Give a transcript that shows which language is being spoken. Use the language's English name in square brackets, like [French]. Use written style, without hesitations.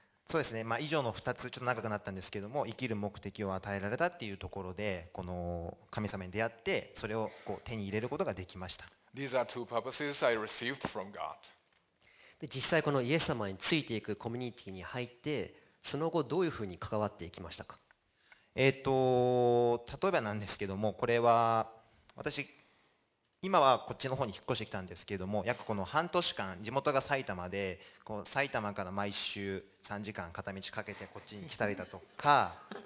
[Japanese] そうですね、まあ、以上の2つちょっと長くなったんですけども、生きる目的を与えられたっていうところで、この神様に出会ってそれをこう手に入れることができました。 [English] These are two purposes I received from God. [Japanese] で、実際このイエス様についていくコミュニティに入って、その後どういうふうに関わっていきましたか？例えばなんですけども、これは私今はこっちの方に引っ越してきたんですけれども、約この半年間、地元が埼玉で、こう埼玉から毎週3時間片道かけてこっちに来たりだとか。